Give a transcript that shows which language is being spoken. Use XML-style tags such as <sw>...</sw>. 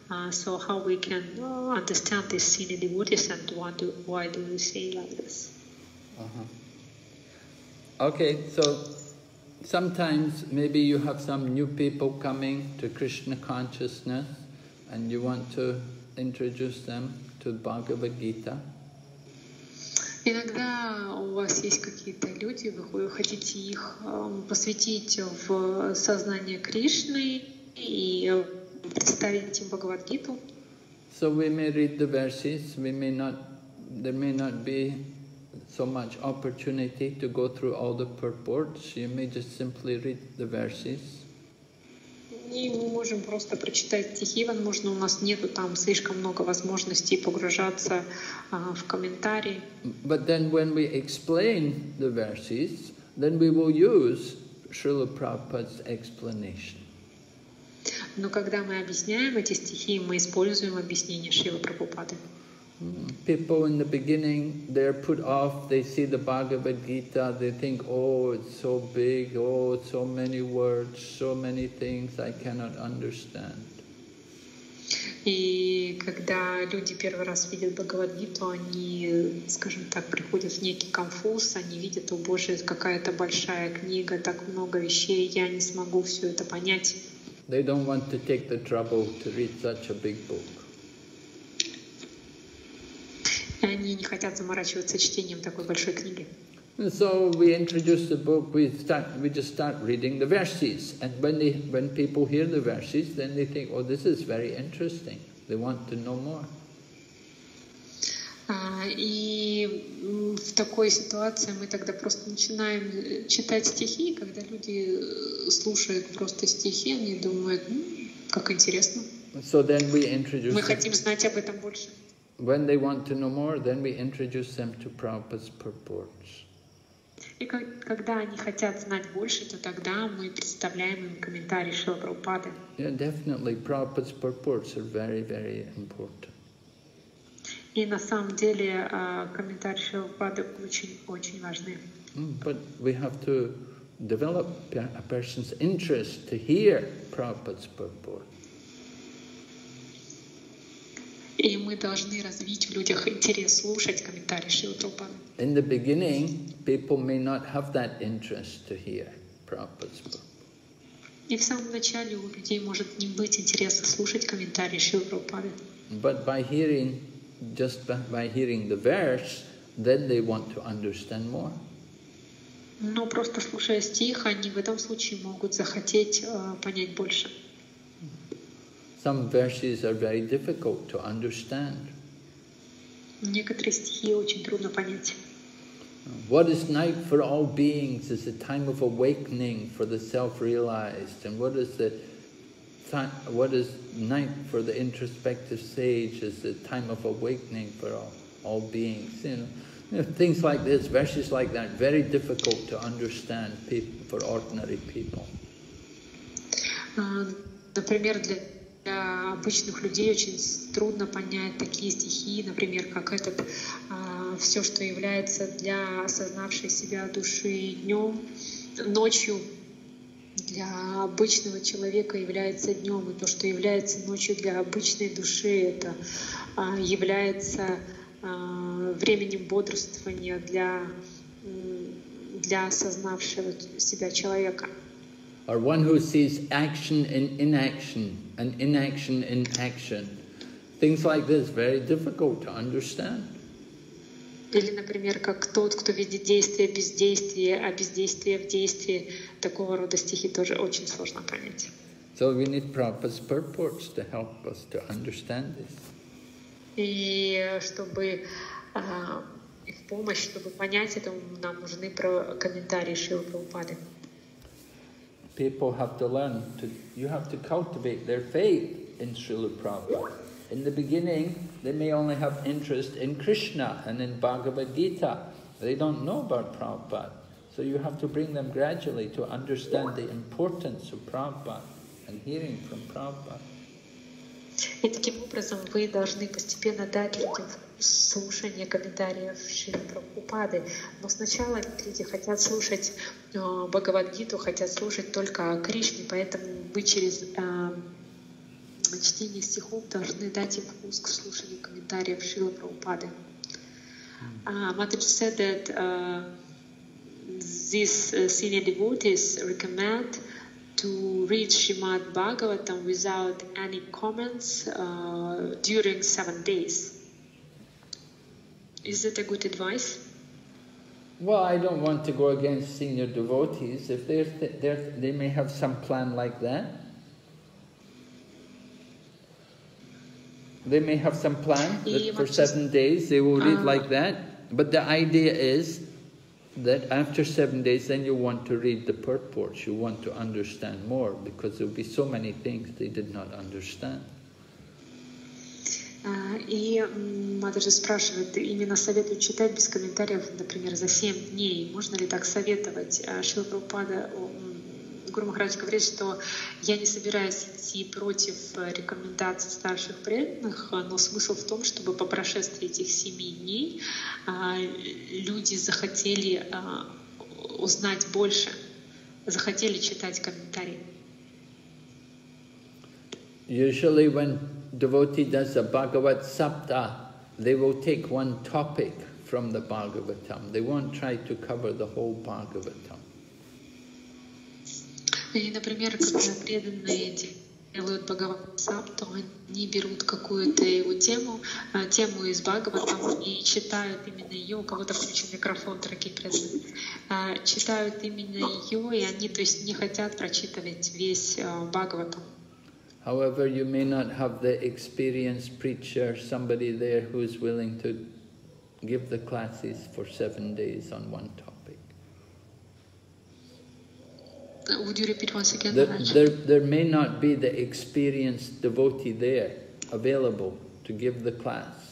<en>So how we can understand this senior devotees, and why do we say like this? Uh-huh. Okay, so sometimes maybe you have some new people coming to Krishna consciousness and you want to introduce them to Bhagavad Gita.</en> <ru>Иногда у вас есть какие-то люди, вы хотите их посвятить в сознание Кришны и представить им Бхагавад Гиту.</ru> <en>So we may read the verses, there may not be so much opportunity to go through all the purports. You may just simply read the verses.</en> <ru>и мы можем просто прочитать стихи, возможно, у нас нету там слишком много возможностей погружаться в комментарии.</ru> <en>But then when we explain the verses, then we will use Srila Prabhupada's explanation.</en> <ru>Но когда мы объясняем эти стихи, мы используем объяснение Шрилы Прабхупады.</ru> <en>People in the beginning, they're put off, they see the Bhagavad Gita, they think, oh, it's so big, oh, so many words, so many things I cannot understand.</en> <ru>И когда люди первый раз видят Бхагавад-гиту, они, скажем так, приходят в некий конфуз, они видят, о Боже, это какая-то большая книга, так много вещей, я не смогу все это понять.</ru> <en>They don't want to take the trouble to read such a big book.</en> <ru>Они не хотят заморачиваться чтением такой большой книги.</ru> <en>And so we introduce the book, we just start reading the verses. And when people hear the verses, then they think, oh, this is very interesting. They want to know more.</en> <ru>И в такой ситуации мы тогда просто начинаем читать стихи, когда люди слушают просто стихи, они думают, как интересно.</ru> <en>So then we introduce</en> <ru>мы хотим знать об этом больше.</ru> <en>When they want to know more, then we introduce them to Prabhupada's purports.</en> <ru>И когда они хотят знать больше, то тогда мы представляем им комментарии Шрилы Прабхупады.</ru> <en>Yeah, definitely, Prabhupada's purports are very, very important.</en> <ru>И на самом деле комментарии Шрилы Прабхупады очень, очень важны.</ru> <en>But we have to develop a person's interest to hear Prabhupada's purport.</en> <ru>И мы должны развить в людях интерес слушать комментарии Шрилы Прабхупады.</ru> <en>In the beginning, people may not have that interest to hear Prabhupada's purport.</en> <ru>И в самом начале у людей может не быть интереса слушать комментарии Шрилы Прабхупады.</ru> <en>But by hearing the verse, then they want to understand more.</en> <ru>Но просто слушая стих, они в этом случае могут захотеть понять больше.</ru> <en>Some verses are very difficult to understand.</en> <ru>Некоторые стихи очень трудно понять.</ru> <en>What is night for all beings is the time of awakening for the self-realized. And what is night for the introspective sage is the time of awakening for all beings. You know, things like this, verses like that, very difficult to understand for ordinary people.</en> <ru>Например, для обычных людей очень трудно понять такие стихи, например, как этот «Все, что является для осознавшей себя души днем, ночью для обычного человека является днем, и то, что является ночью для обычной души, это является временем бодрствования для осознавшего себя человека».</ru> <en>Or one who sees action in inaction, and inaction in action. Things like this, very difficult to understand.</en> <ru>Или, например, как тот, кто видит действие без действия, а бездействие в действии. Такого рода стихи тоже очень сложно понять.</ru> <en>So we need Prabhupada's purports to help us to understand this.</en> <ru>И чтобы их помощь, чтобы понять это, нам нужны комментарии Шрилы Прабхупады.</ru> <en>People have to learn to, you have to cultivate their faith in Srila Prabhupada. In the beginning, they may only have interest in Krishna and in Bhagavad Gita. They don't know about Prabhupada. So you have to bring them gradually to understand the importance of Prabhupada and hearing from Prabhupada.</en> <ru>И таким образом вы должны постепенно дать людям слушание комментариев Шрилы Прабхупады. Но сначала люди хотят слушать Бхагавад-гиту, хотят слушать только Кришне, поэтому вы через чтение стихов должны дать им вкус к слушанию комментариев Шрилы Прабхупады.</ru> <en>Матридж said that these senior devotees recommend to read Srimad Bhagavatam without any comments during 7 days. Is that a good advice? Well, I don't want to go against senior devotees. If they may have some plan like that. They may have some plan that for 7 days they will read like that. But the idea is, that after 7 days, then you want to read the purports, you want to understand more, because there will be so many things they did not understand.</en> <ru>И Матаджи спрашивает, именно советую читать без комментариев, например, за 7 дней. Можно ли так советовать? Шрила Прабхупада, Гуру Махарадж говорит, что я не собираюсь идти против рекомендаций старших преданных, но смысл в том, чтобы по прошествии этих 7 дней люди захотели узнать больше, захотели читать комментарии.</ru> <en>Usually when devotee does a Bhagavad Sapta, they will take one topic from the Bhagavatam. They won't try to cover the whole Bhagavatam.</en> <ru>И, например, когда преданные делают Бхагавад-сапту, они берут какую-то его тему, тему из Бхагавата, и читают именно ее, у кого-то включен микрофон, дорогие преданные, читают именно ее, и они, то есть, не хотят прочитывать весь Бхагавату.</ru> <en>However, you may not have the experienced preacher, somebody there who is willing to give the classes for 7 days on one topic. Would you repeat once again? There may not be the experienced devotee there available to give the class.</en>